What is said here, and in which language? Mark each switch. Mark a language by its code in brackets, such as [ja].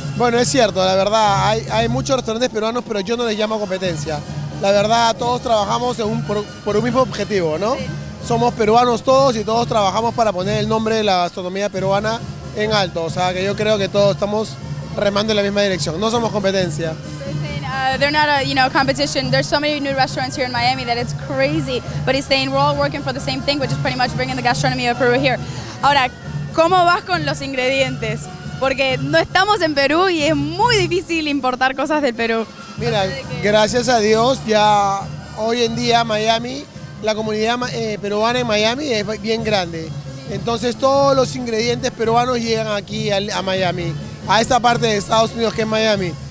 [es] Bueno, es cierto, la verdad, hay muchos restaurantes peruanos, pero yo no les llamo competencia. La verdad, todos trabajamos por un mismo objetivo, ¿no? Sí. Somos peruanos todos y todos trabajamos para poner el nombre de la gastronomía peruana en alto. O sea, que yo creo que todos estamos remando en la misma dirección. No somos competencia. [en] They're not a, you know, competition. There's so many new restaurants here in Miami that it's crazy. But he's saying we're all working for the same thing, which is pretty much bringing the gastronomy of Peru here. [es] Ahora, ¿cómo vas con los ingredientes? Porque no estamos en Perú y es muy difícil importar cosas del Perú. Mira, gracias a Dios, ya hoy en día Miami, la comunidad peruana en Miami es bien grande. Entonces todos los ingredientes peruanos llegan aquí a Miami, a esta parte de Estados Unidos que es Miami.